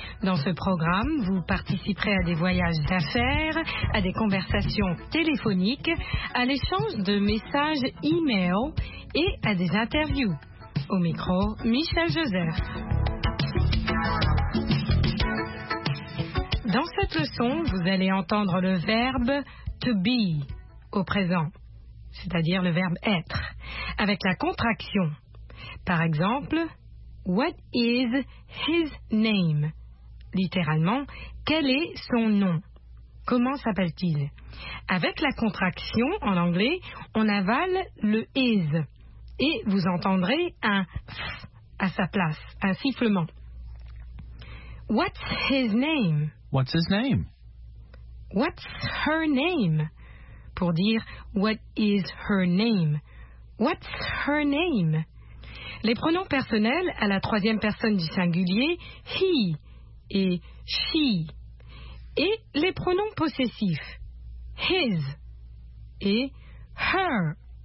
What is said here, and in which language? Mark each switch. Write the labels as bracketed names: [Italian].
[French] Dans ce programme, vous participerez à des voyages d'affaires, à des conversations téléphoniques, à l'échange de messages e-mail et à des interviews. Au micro, Michel Joseph. Dans cette leçon, vous allez entendre le verbe to be au présent, c'est-à-dire le verbe être, avec la contraction. Par exemple, [English] what is his name? [French] Littéralement, quel est son nom? Comment s'appelle-t-il? Avec la contraction, en anglais, on avale le is et vous entendrez un f à sa place, un sifflement. [English] What's his name? What's his name? What's her name? [French] Pour dire [English] what is her name? What's her name? [French] Les pronoms personnels à la troisième personne du singulier, he et she. Et les pronoms possessifs, his et her.